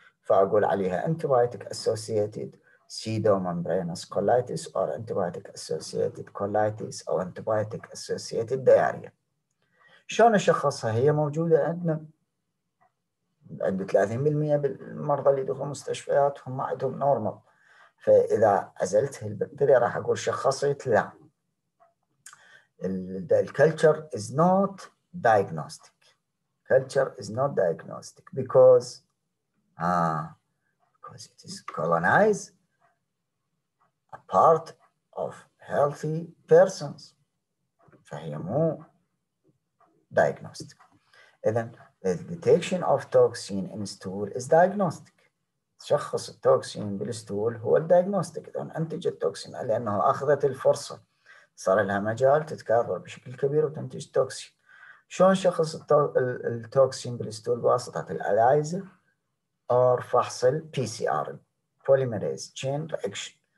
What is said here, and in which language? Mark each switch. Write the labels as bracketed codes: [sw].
[ar] فأقول عليها [en] antibiotic associated pseudomembranous colitis or antibiotic associated colitis أو antibiotic associated diarrhea. [ar] شلون أشخصها؟ هي موجودة عندنا عند 30% بالمرضى اللي يدخلوا مستشفيات هم عندهم نورمال. فإذا عزلت البكتيريا راح أقول شخصت لا. [en] الكلتشر is not diagnostic. Culture is not diagnostic because it is colonized a part of healthy persons. [ar] فهي مو [en] diagnostic. إذن the detection of toxin in stool is diagnostic. [ar] شخص التوكسين بالستول هو الدياجنوستيك. إذن أنتج التوكسين لأنه أخذت الفرصة صار لها مجال تتكاثر بشكل كبير وتنتج توكسين. شلون شخص التوكسين بالستول؟ بواسطة الألايزة أور فحص البي سي آر بوليميريز تشين رياكشن.